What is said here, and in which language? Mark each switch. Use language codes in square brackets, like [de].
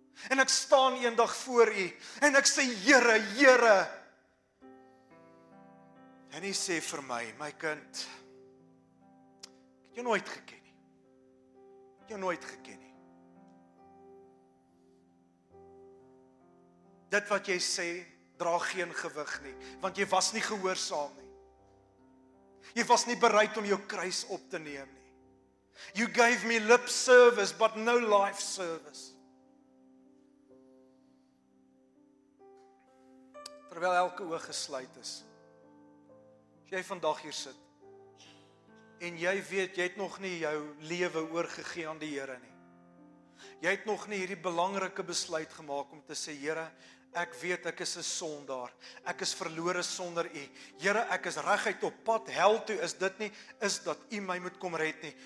[af] En ek staan eendag voor U en ek sê, Here, Here. En U sê vir my, my kind, ek het jou nooit geken nie. Ek het jou nooit geken nie. Dit wat jy sê, dra geen gewig nie, want jy was nie gehoorsaam nie. Jy was nie bereid om jou kruis op te neem nie. [en] You gave me lip service, but no life service. [af] Terwyl elke oog gesluit is, as jy vandag hier sit, en jy weet, jy het nog nie jou lewe oorgegee aan die Here nie. Jy het nog nie hierdie belangrike besluit gemaak om te sê, Here, ek weet ek is 'n sondaar. Ek is verlore sonder U. Here, ek is reguit op pad hel toe. Is dit nie is dat U my moet kom red nie?